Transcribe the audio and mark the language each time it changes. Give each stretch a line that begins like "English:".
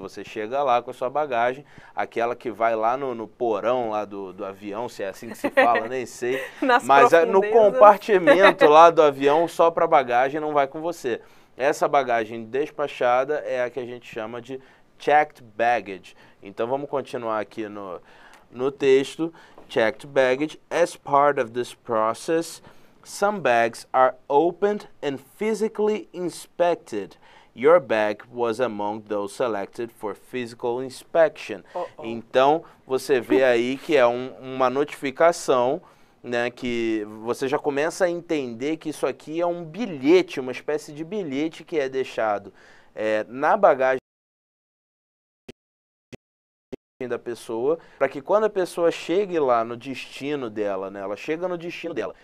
Portuguese: Você chega lá com a sua bagagem, aquela que vai lá no porão lá do avião, se é assim que se fala, nem sei, Nas mas é no profundezas. compartimento lá do avião, só para bagagem, não vai com você. Essa bagagem despachada é a que a gente chama de checked baggage. Então vamos continuar aqui no texto. Checked baggage.
English: As part of this process, some bags are opened and physically inspected. Your bag was among those selected for physical inspection.
Portuguese: Então, você vê aí que é uma notificação, né, que você já começa a entender que isso aqui é um bilhete, uma espécie de bilhete que é deixado na bagagem da pessoa, para que quando a pessoa chegue lá no destino dela, né? Ela chega no destino dela.